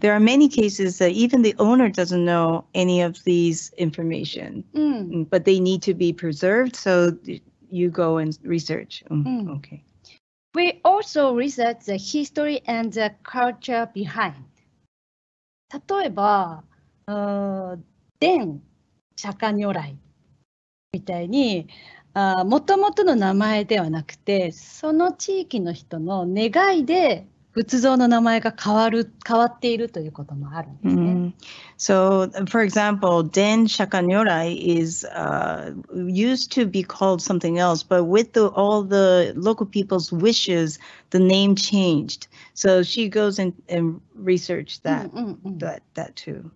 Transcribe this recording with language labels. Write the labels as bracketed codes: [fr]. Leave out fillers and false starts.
[en] There are many cases that even the owner doesn't know any of these information,、うん、 but they need to be preserved, so you go and research.、うんうん、okay. We also research the history and the culture behind. [ja] 例えば、伝釈迦如来みたいに、元々の名前ではなくて、その地域の人の願いで仏像の名前が変わっているということもあるんですね。 Mm-hmm. [en] So, for example, 伝釈迦如来 is、used to be called something else, but with the, all the local people's wishes, the name changed. So she goes and research that,、mm-hmm. that too.、